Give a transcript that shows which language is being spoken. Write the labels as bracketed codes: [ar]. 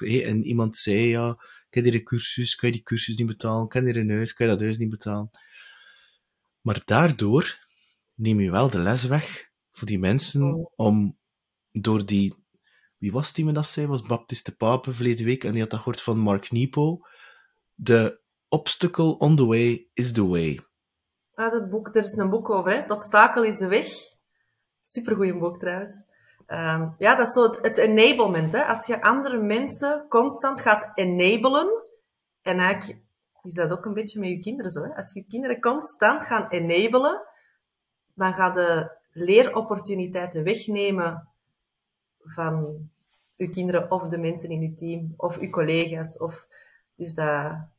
[nl] Hey, en iemand zei, ja, ken je een cursus? Kan je die cursus niet betalen? Ken je een huis? Kan je dat huis niet betalen? Maar daardoor neem je wel de les weg voor die mensen om door die... Wie was die me dat zei? Was Baptiste de Pape verleden week en die had dat gehoord van Mark Nepo. [en] The obstacle on the way is the way. [nl] Ja, dat boek, er is een boek over, hè. Het obstakel is de weg. Supergoeie boek trouwens. Ja, dat is zo het enablement. Hè. Als je andere mensen constant gaat enablen en eigenlijk... Is dat ook een beetje met je kinderen zo? Hè? Als je kinderen constant gaan enablen, dan gaat de leeropportuniteiten wegnemen van je kinderen of de mensen in je team of je collega's. Of... Dus dat...